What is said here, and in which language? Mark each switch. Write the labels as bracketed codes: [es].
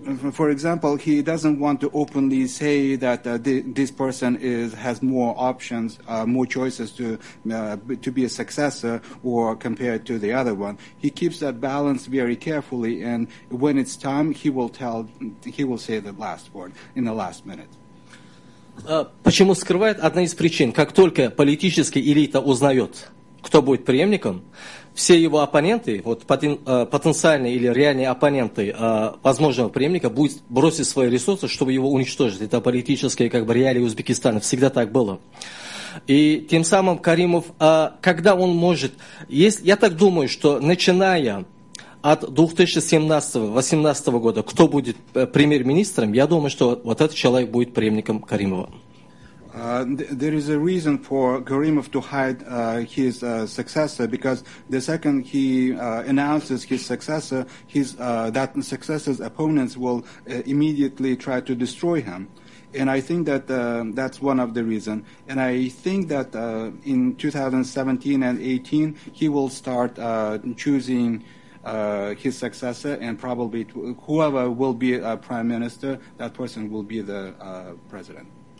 [en] For example, he doesn't want to openly say that this person has more options, more choices to be a successor or compared to the other one. He keeps that balance very carefully, and when it's time, he will say the last word in the last minute. [ru] Почему скрывает? Одна из причин. Как только политическая элита узнает, кто будет преемником, все его оппоненты, вот потенциальные или реальные оппоненты возможного преемника, будут бросить свои ресурсы, чтобы его уничтожить. Это политические как бы реалии Узбекистана. Всегда так было. И тем самым Каримов, когда он может... Я так думаю, что начиная от 2017-2018 года, кто будет премьер-министром, я думаю, что вот этот человек будет преемником Каримова. [en] There is a reason for Karimov to hide his successor because the second he announces his successor, that successor's opponents will immediately try to destroy him. And I think that that's one of the reasons. And I think that in 2017 and 18 he will start choosing his successor and probably whoever will be a prime minister, that person will be the president.